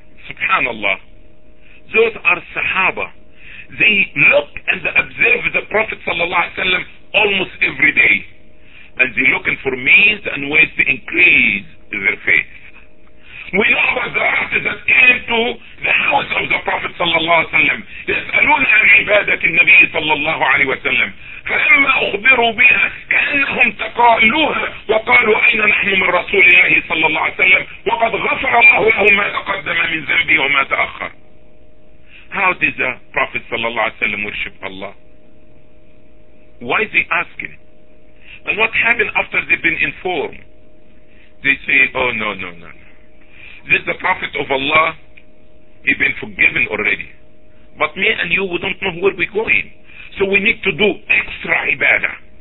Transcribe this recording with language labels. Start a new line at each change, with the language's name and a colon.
Arabic: سبحان الله.
English: Those are Sahaba. They look and observe the Prophet sallallahu alaihi wasallam almost every day, and they're looking for means and ways to increase their faith. We know about the rest that came to the house of the Prophet sallallahu alaihi wasallam.
Arabic: يسألون عن عبادة النبي صلى الله عليه وسلم. فلما أخبروا بها كأنهم تقالوها وقالوا أين نحن من رسول الله صلى الله عليه وسلم وقد غفر الله له ما تقدم من ذنبه وما تأخر.
English: How did the Prophet
Arabic: صلى الله عليه وسلم
English: worship Allah? Why is he asking? And what happened after they've been informed? They say, "Oh no, no, no, this is the Prophet of Allah, he's been forgiven already, but me and you, we don't know where we're going, so we need to do extra ibadah."